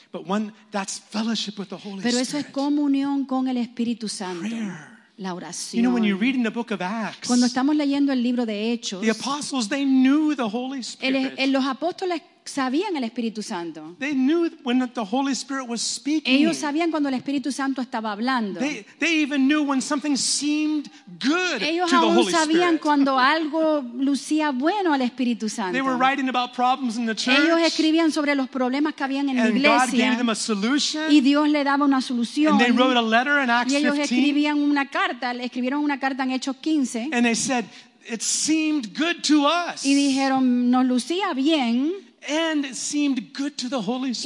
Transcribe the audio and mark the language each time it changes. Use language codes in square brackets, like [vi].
[en] But one, that's fellowship with the Holy Spirit. [es] Pero eso [en] Spirit [es] es comunión con el Espíritu Santo. [en] Prayer. [es] La oración. [en] You know, when you're reading the book of Acts, [es] cuando estamos leyendo el libro de Hechos, [en] the apostles they knew the Holy Spirit. [es] Los apóstoles sabían el Espíritu Santo. [en] They knew when the Holy Spirit was speaking. [es] Ellos sabían cuando el Espíritu Santo estaba hablando. [en] They even knew when something seemed good [es] ellos [en] to the Holy Spirit. [es] Ellos sabían cuando algo lucía bueno al Espíritu Santo. [en] They were writing about problems in the church. [es] Ellos escribían sobre los problemas que habían en la iglesia. [en] And God gave them a solution. [es] Y Dios le daba una solución. [en] And they wrote a letter in Acts 15. [es] Y ellos escribían una carta, le escribieron una carta en Hechos 15. [en] And they said it seemed good to us. [es] Y dijeron nos lucía bien. [en] And it seemed good to the Holy Spirit.